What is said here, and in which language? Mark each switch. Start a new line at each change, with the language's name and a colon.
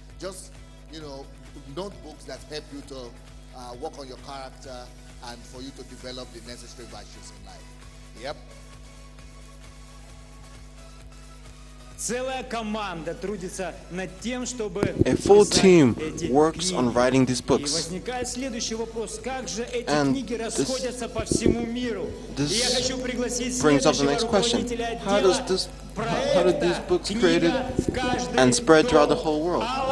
English: Just, you know, notebooks that help you to work on your character and for you to develop the necessary virtues in life. Yep.
Russian: Целая команда трудится над тем, чтобы
English: A full team works on writing these books.
Russian: И возникает следующий вопрос: как же эти книги расходятся по всему миру?
English: This brings up the next question: how does this, how do these books created and spread throughout the whole world?